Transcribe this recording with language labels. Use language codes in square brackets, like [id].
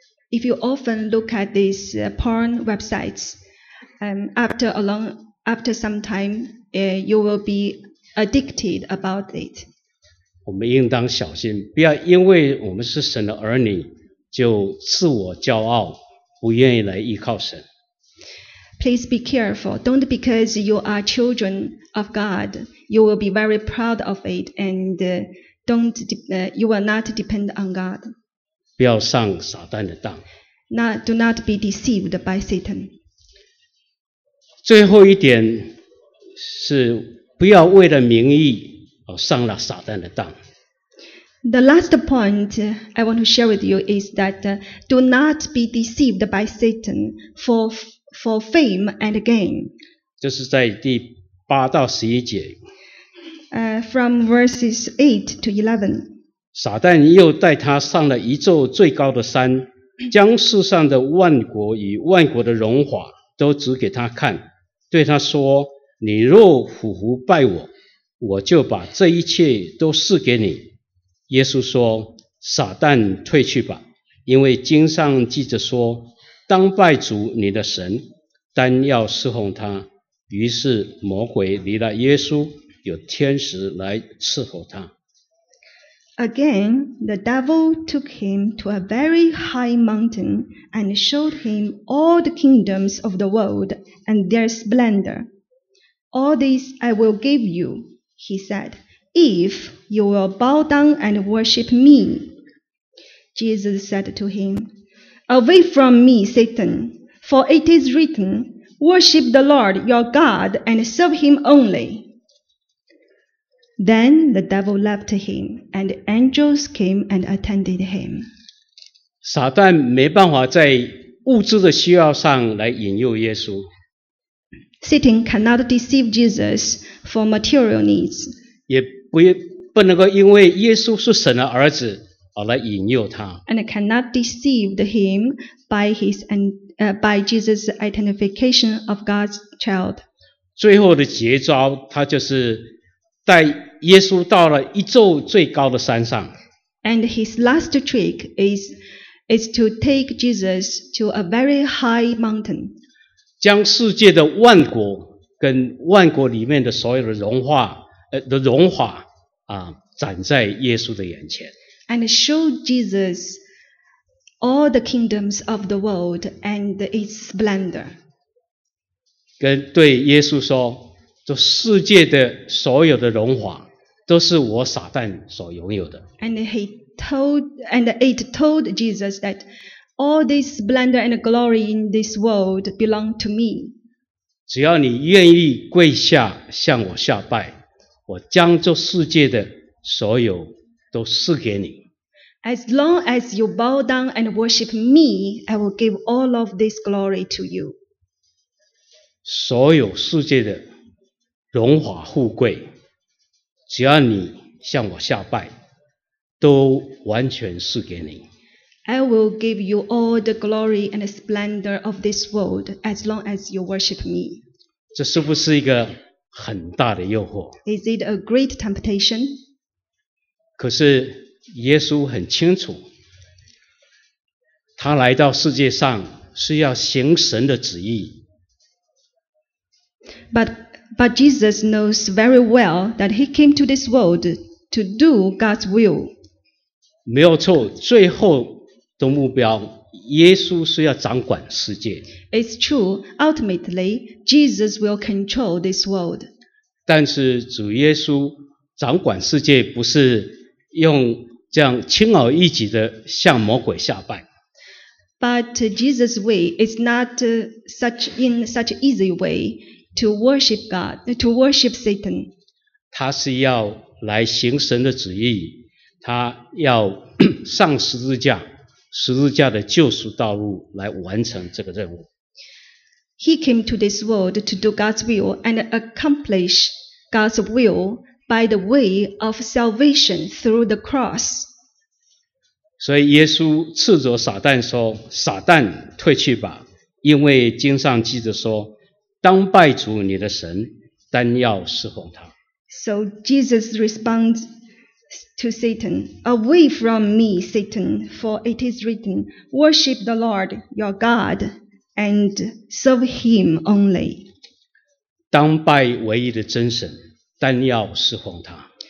[en] If you often look at these porn websites, after some time, you will be addicted about it. [zh] 我们应当小心，不要因为我们是神的儿女，就自我骄傲，不愿意来依靠神。 [en] Please be careful. Don't because you are children of God, you will be very proud of it and. You will not depend on God. [zh] 不要上撒旦的当。 [en] Do not be deceived by Satan. [zh] 最后一点是不要为了名义而上了撒旦的当。 [en] The last point I want to share with you is that do not be deceived by Satan for fame and gain. [zh] 就是在第八到十一节。 [en] From verses 8 to 11. [zh] 撒旦又带他上了一座最高的山，将世上的万国与万国的荣华都指给他看，对他说，你若俯伏拜我，我就把这一切都赐给你。耶稣说，撒旦退去吧，因为经上记着说，当拜主你的神，单要侍奉他。于是魔鬼离了耶稣，有天使来伺候他。 [en] Again, the devil took him to a very high mountain and showed him all the kingdoms of the world and their splendor. All this I will give you, he said, if you will bow down and worship me. Jesus said to him, Away from me, Satan, for it is written, Worship the Lord your God and serve him only. Then the devil left him, and angels came and attended him. [zh] 撒旦没办法在物质的需要上来引诱耶稣。 [en] Satan cannot deceive Jesus for material needs. [zh] 也不能够因为耶稣是神的儿子，来引诱他。 [en] And I cannot deceive him by his and by Jesus' identification of God's child. [zh] 最后的绝招，他就是带耶稣到了一座最高的山上。 [en] And his last trick is to take Jesus to a very high mountain. [zh] 将世界的万国跟万国里面的所有的荣华的荣华啊，展在耶稣的眼前。 [en] And show Jesus all the kingdoms of the world and its splendor. [zh] 跟对耶稣说，这世界的所有的荣华都是我撒旦所拥有的。 [en] And it told Jesus that all this splendor and glory in this world belong to me. [zh] 只要你愿意跪下向我下拜，我将这世界的所有都赐给你。 [en] As long as you bow down and worship me, I will give all of this glory to you. [zh] 所有世界的荣华富贵，只要你向我下拜，都完全赐给你。 [en] I will give you all the glory and splendor of this world as long as you worship me. [zh] 这是不是一个很大的诱惑？ [en] Is it a great temptation? [zh] 可是耶稣很清楚，他来到世界上是要行神的旨意。 [en] But Jesus knows very well that he came to this world to do God's will. [zh] 没有错，最后的目标，耶稣是要掌管世界。 [en] It's true, ultimately, Jesus will control this world. [zh] 但是主耶稣掌管世界不是用这样轻而易举的向魔鬼下拜。 [en] But Jesus' way is not such in such easy way to worship God, to worship Satan. [zh] 他是要来行神的旨意，他要上十字架，十字架的救赎道路来完成这个任务。 [en] He came to this world to do God's will and accomplish God's will by the way of salvation through the cross. [zh] 所以耶稣斥责撒旦说，撒旦退去吧，因为经上记着说，当拜主你的神，单要侍奉他。 [en] So Jesus responds to Satan, Away from me, Satan, for it is written, Worship the Lord your God, and serve him only. [zh] 当拜唯一的真神，单要侍奉他。